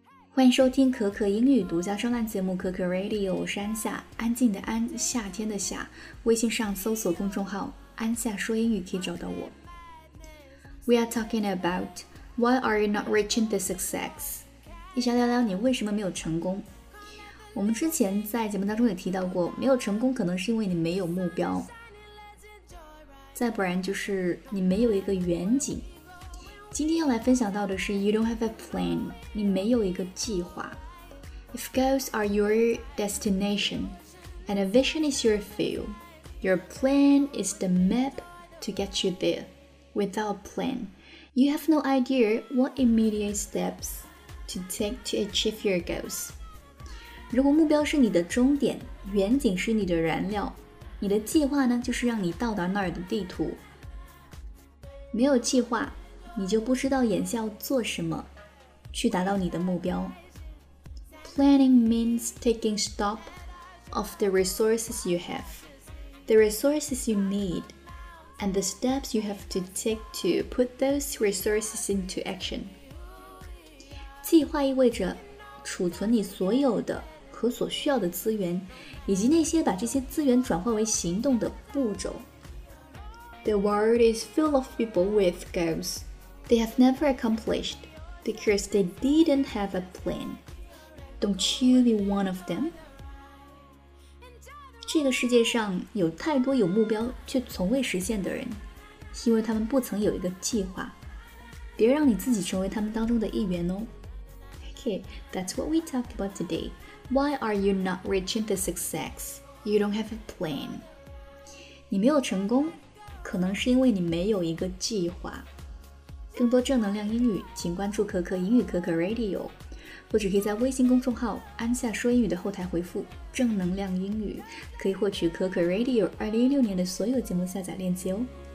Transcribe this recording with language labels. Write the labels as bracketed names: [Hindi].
[Chinese] 欢迎收听可可英语独家专栏节目可可 Radio， 我是安夏，安静的安，夏天的夏。微信上搜索公众号安夏说英语可以找到我。 [English] We are talking about why are you not reaching the success， [Chinese] 一起聊聊你为什么没有成功。我们之前在节目当中也提到过，没有成功可能是因为你没有目标，再不然就是你没有一个远景。今天要来分享到的是 [English] You don't have a plan， [Chinese] 你没有一个计划。 [English] If goals are your destination and a vision is your field, your plan is the map to get you there. Without plan, you have no idea what immediate steps to take to achieve your goals. [Chinese] 如果目标是你的终点，远景是你的燃料，你的计划呢，就是让你到达那儿的地图。没有计划，你就不知道眼下要做什么去达到你的目标。 [English] Planning means taking stock of the resources you have, the resources you need, and the steps you have to take to put those resources into action. [Chinese] 计划意味着储存你所有的和所需要的资源，以及那些把这些资源转化为行动的步骤。 [English] The world is full of people with goalsThey have never accomplished because they didn't have a plan. Don't you be one of them? [Chinese] 这个世界上有太多有目标却从未实现的人，因为他们不曾有一个计划。别让你自己成为他们当中的一员哦。 [English] Okay, that's what we talked about today. Why are you not reaching the success? You don't have a plan. [Chinese] 你没有成功，可能是因为你没有一个计划。更多正能量英语，请关注可可英语可可 Radio， 或者可以在微信公众号安夏说英语的后台回复正能量英语，可以获取可可 Radio 2016年的所有节目下载链接哦。